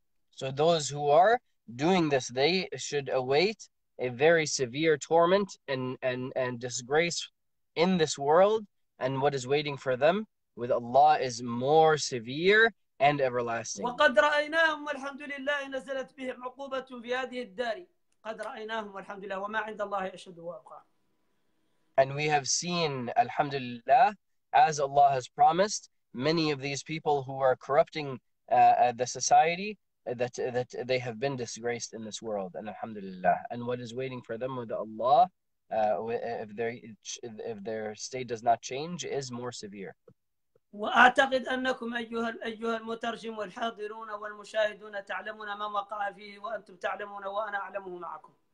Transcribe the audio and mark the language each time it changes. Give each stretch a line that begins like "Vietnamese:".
English: So those who are doing this, they should await a very severe torment and disgrace in this world, and what is waiting for them with Allah is more severe and everlasting.
Arabic: وقد رأيناهم والحمد لله نزلت بهم عقوبة في هذه الدار قد رأيناهم والحمد لله وما عند الله أشد وأبقى.
English: And we have seen, alhamdulillah, as Allah has promised, many of these people who are corrupting the society, that they have been disgraced in this world, and alhamdulillah, and what is waiting for them with Allah, if their state does not change, is more severe.
Arabic: وأعتقد أنكم أيها المترجم والحاضرون والمشاهدون تعلمون ما وقع فيه وأنتم تعلمون وأنا أعلمه معكم.